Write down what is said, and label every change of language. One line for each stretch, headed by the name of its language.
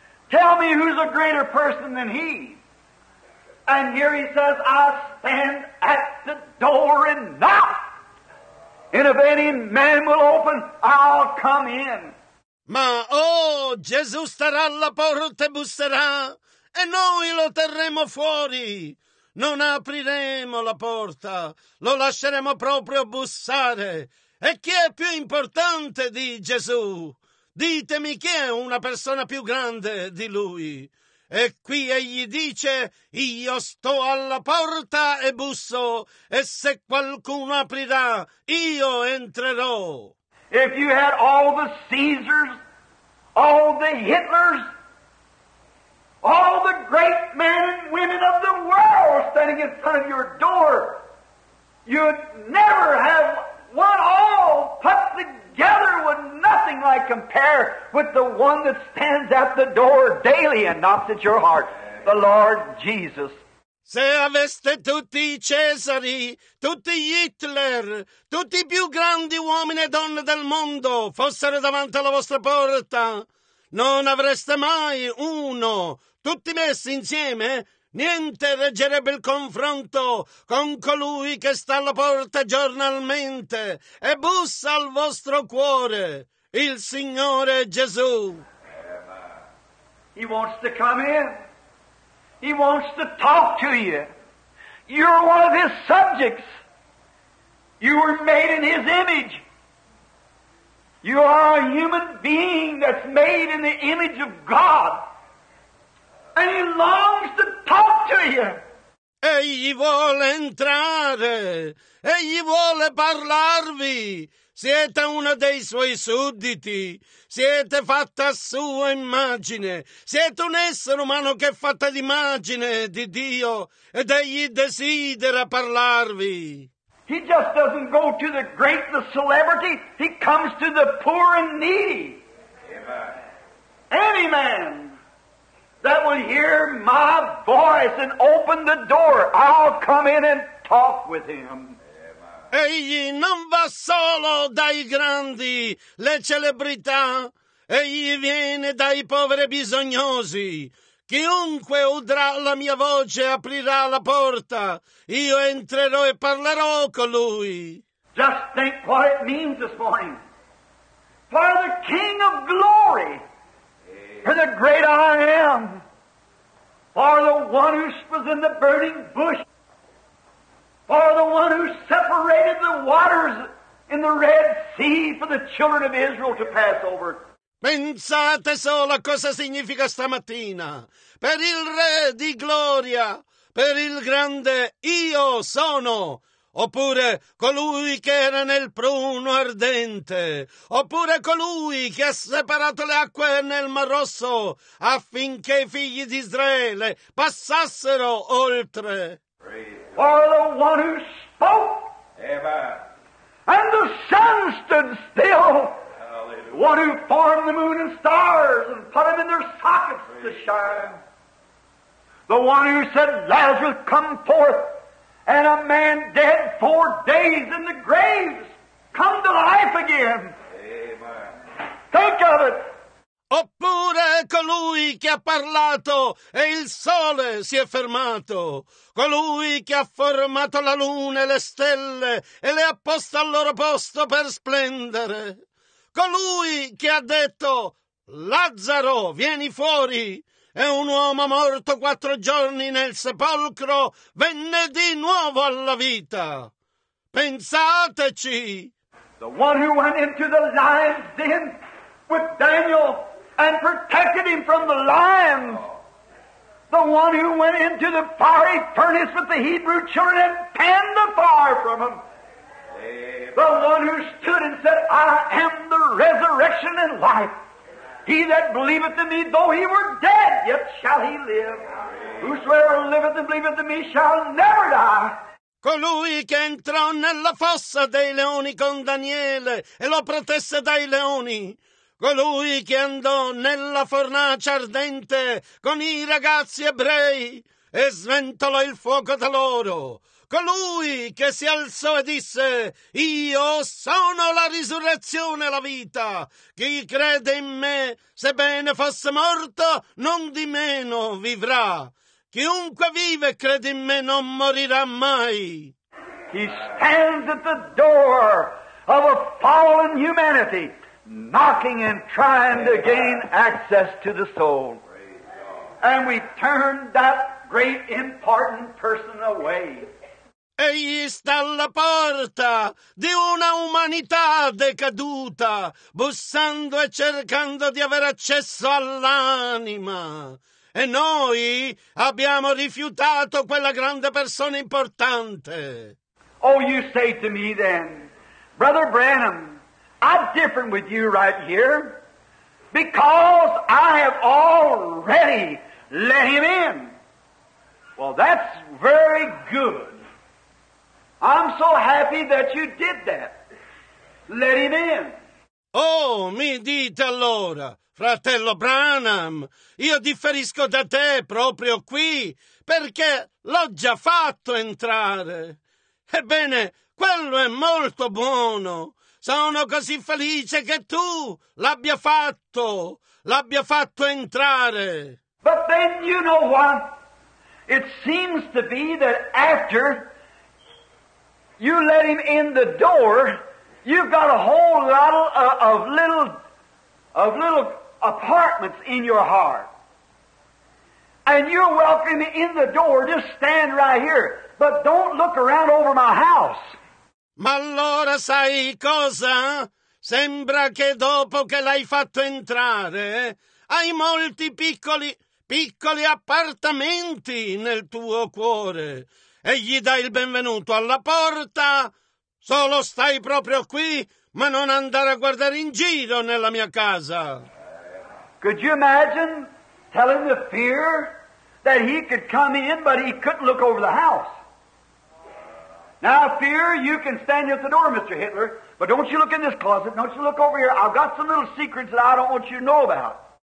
English: Tell me who's a greater person than he. And here he says, I stand at the door and knock, and if any man will open, I'll come in.
Italian: Ma oh, Gesù starà alla porta e busserà, e noi lo terremo fuori. Non apriremo la porta, lo lasceremo proprio bussare. E chi è più importante di Gesù? Ditemi chi è una persona più grande di lui. E qui egli dice, io sto alla porta e busso, e se qualcuno aprirà, io entrerò.
English: If you had all the Caesars, all the Hitlers, all the great men and women of the world standing in front of your door, you'd never have one all put together with nothing like compare with the one that stands at the door daily and knocks at your heart, the Lord Jesus.
Italian: Se aveste tutti i Cesari, tutti gli Hitler, tutti i più grandi uomini e donne del mondo fossero davanti alla vostra porta, non avreste mai uno. Tutti messi insieme, niente reggerebbe il confronto con colui che sta alla porta giornalmente e bussa al vostro cuore, il Signore Gesù.
English: He wants to come in. He wants to talk to you. You're one of his subjects. You were made in his image. You are a human being that's made in the image of God. And he longs to talk to you.
Italian: Egli vuole entrare. Egli vuole parlarvi. siete uno dei suoi sudditi, siete fatta a sua immagine, siete un essere umano che è fatta d'immagine di Dio ed egli desidera parlarvi.
English: He just doesn't go to the great, the celebrity, he comes to the poor and needy. Amen. Any man that will hear my voice and open the door, I'll come in and talk with him.
Italian: Egli non va solo dai grandi, le celebrità, egli viene dai poveri bisognosi. Chiunque udrà la mia voce aprirà la porta, io entrerò e parlerò con lui.
English: Just think what it means this morning. For the King of Glory, for the great I Am, for the one who was in the burning bush, for the one who separated the waters in the Red Sea for the children of Israel to pass over.
Italian: Pensate solo a cosa significa stamattina. Per il Re di Gloria, per il grande Io Sono. Oppure colui che era nel pruno ardente, oppure colui che ha separato le acque nel Mar Rosso affinché i figli di Israele passassero oltre.
English: For the one who spoke, amen, and the sun stood still. Hallelujah. One who formed the moon and stars and put them in their sockets. Praise to shine. The one who said, Lazarus, come forth, and a man dead 4 days in the graves, come to life again. Amen. Think of it.
Italian: Oppure colui che ha parlato e il sole si è fermato, colui che ha formato la luna e le stelle e le ha poste al loro posto per splendere, colui che ha detto Lazzaro vieni fuori e un uomo morto 4 giorni nel sepolcro venne di nuovo alla vita. Pensateci!
English: The one who went into the lion's den with Daniel and protected him from the lions. The one who went into the fiery furnace with the Hebrew children and fanned the fire from him. The one who stood and said, I am the resurrection and life. He that believeth in me, though he were dead, yet shall he live. Whosoever liveth and believeth in me shall never die.
Italian: Colui che entrò nella fossa dei leoni con Daniele e lo protesse dai leoni. Colui che andò nella fornace ardente con i ragazzi ebrei e sventolò il fuoco da loro. Colui che si alzò e disse, io sono la risurrezione e la vita. Chi crede in me, sebbene fosse morto, non di meno vivrà. Chiunque vive e crede in me non morirà mai.
English: He stands at the door of a fallen humanity, knocking and trying to gain access to the soul. And we turn that great important person away.
Italian: Egli sta alla porta di una umanità decaduta, bussando e cercando di avere accesso all'anima. E noi abbiamo rifiutato quella grande persona importante.
English: Oh, you say to me then, Brother Branham, I'm different with you right here because I have already let him in. Well, that's very good. I'm so happy that you did that. Let him in.
Italian: Oh, mi dite allora, fratello Branham, io differisco da te proprio qui perché l'ho già fatto entrare. Ebbene, quello è molto buono. Sono così felice che tu l'abbia fatto entrare.
English: But then you know what? It seems to be that after you let him in the door, you've got a whole lot of little apartments in your heart. And you're welcome in the door, just stand right here. But don't look around over my house.
Italian: Ma allora sai cosa? Sembra che dopo che l'hai fatto entrare, hai molti piccoli appartamenti nel tuo cuore. E gli dai il benvenuto alla porta, solo stai proprio qui, ma non andare a guardare in giro nella mia casa.
English: Could you imagine telling the fear that he could come in, but he couldn't look over the house? Now, fear, you can stand at the door, Mr. Hitler, but don't you look in this closet, don't you look over here. I've got some little secrets that I don't want you to know about.